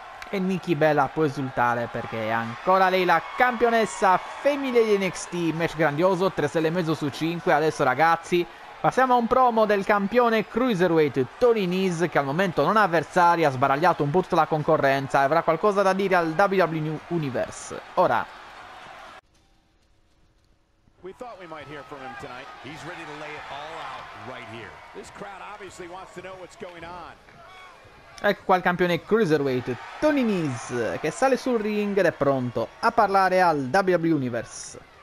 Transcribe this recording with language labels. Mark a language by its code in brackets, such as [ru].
[it] E Nikki Bella può esultare perché è ancora lei la campionessa femminile di NXT. Match grandioso, 3 stelle e mezzo su 5. Adesso ragazzi, passiamo a un promo del campione Cruiserweight Tony Nese, che al momento non ha avversari, ha sbaragliato un po' tutta la concorrenza e avrà qualcosa da dire al WWE Universe. Ora. [en] We thought we might hear from him tonight. He's ready to lay it all out right here. This crowd obviously wants to know what's going on. [it] Ecco qua il campione Cruiserweight Tony Nese, che sale sul ring ed è pronto a parlare al WWE Universe.